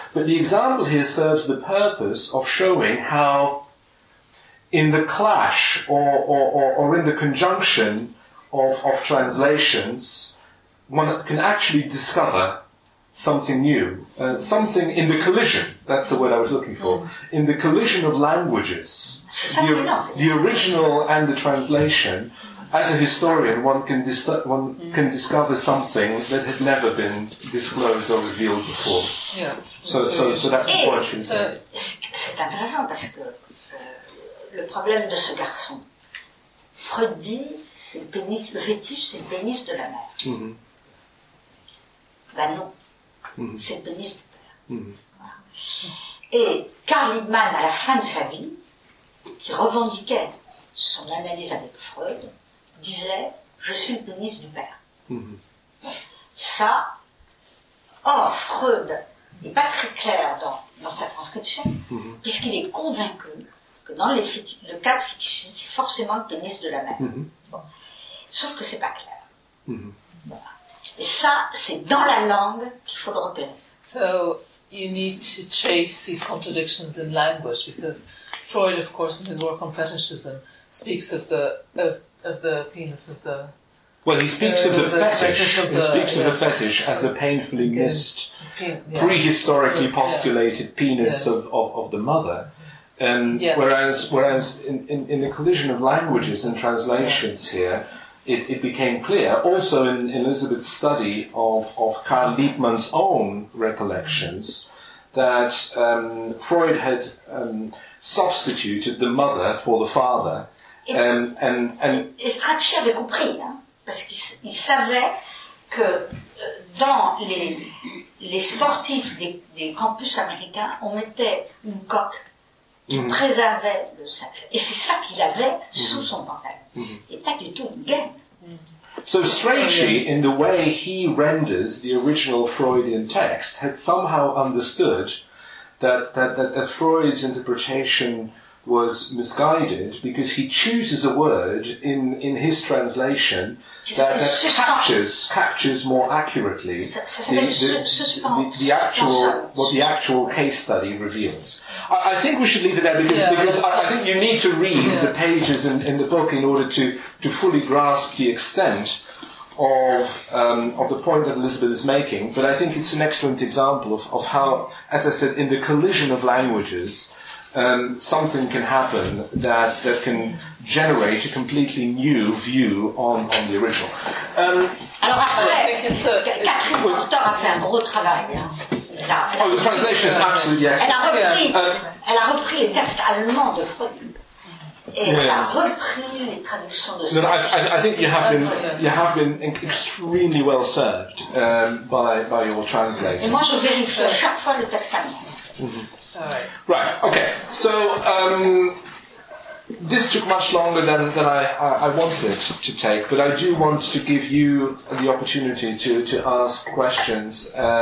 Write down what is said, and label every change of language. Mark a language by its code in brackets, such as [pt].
[en] But the example here serves the purpose of showing how, in the clash or in the conjunction of translations, one can actually discover something new, something in the collision, that's the word I was looking for, in the collision of languages, the original and the translation, as a historian one can can discover something that had never been disclosed or revealed before. Yeah. So that's the point. [fr] C'est intéressant parce que le problème de ce garçon, Freud dit, le fétiche, c'est le pénis de la mère. Ben non. C'est le pénis du père. Et Karl Liebmann, à la fin de sa vie, qui revendiquait son analyse avec Freud, disait « Je suis le pénis du père ». Ça, or Freud n'est pas très clair dans sa transcription, puisqu'il est convaincu que dans le cas de fétichisme, c'est forcément le pénis de la mère. Sauf que c'est pas clair. Et ça, c'est dans la langue qu'il faut le repérer. [en] So, you need to trace these contradictions in language, because Freud, of course, in his work on fetishism, speaks of the penis of the Well, he speaks of the fetish as the painfully missed, prehistorically postulated penis of the mother. Whereas in the collision of languages and translations here, it became clear, also in Elizabeth's study of Karl Liebmann's own recollections, that Freud had substituted the mother for the father. [fr] Et Strachey avait compris, hein, parce qu'il savait que dans les sportifs des campus américains, on mettait une coque qui préservait le sexe. Et c'est ça qu'il avait sous son pantalon. Et pas du tout une gaine. [en] So Strachey, in the way he renders the original Freudian text, had somehow understood that Freud's interpretation was misguided, because he chooses a word in his translation that captures more accurately the actual what the actual case study reveals. I think we should leave it there because I think you need to read the pages in the book in order to fully grasp the extent of the point that Elizabeth is making. But I think it's an excellent example of how, as I said, in the collision of languages, something can happen that can generate a completely new view on the original. [fr] Alors après, Catherine Porter a fait un gros travail. [en] Oh, the translation is absolutely yes. [fr] Elle a repris les textes allemands de Freud. [en] I think you have been extremely well served by your translator. [fr] Et moi, je vérifie chaque fois le texte allemand. [en] Right, okay. So, this took much longer than I wanted to take, but I do want to give you the opportunity to ask questions.